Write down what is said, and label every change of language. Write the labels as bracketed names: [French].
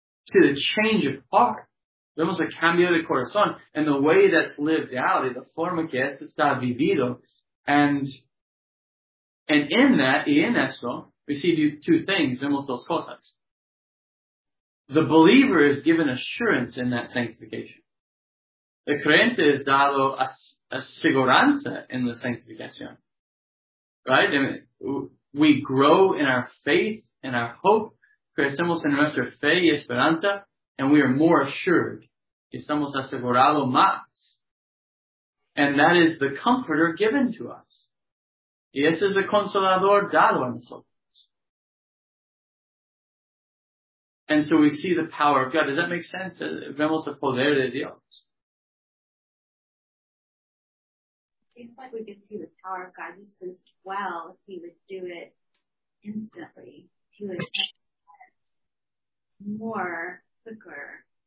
[English] See the change of heart. [Spanish] Vemos el cambio de corazón. [English] And the way that's lived out, [Spanish] y la forma que esto está vivido. [English] And in that, [Spanish] y en eso, [English] we see two things, [Spanish] vemos dos cosas. [English] The believer is given assurance in that sanctification. [Spanish] El creyente es dado aseguranza en la sanctificación. [English] Right? I mean, we grow in our faith and our hope. [Spanish] crecemos en nuestra fe y esperanza, [English] and we are more assured. [Spanish] Estamos asegurados más. [English] And that is the comforter given to us. [Spanish] Y ese es el consolador dado a nosotros. [English] And so we see the power of God. Does that make sense? [Spanish] Vemos el poder de Dios. [English] Seems like we could see the power of God just as well if he would do it instantly. If he would more quicker.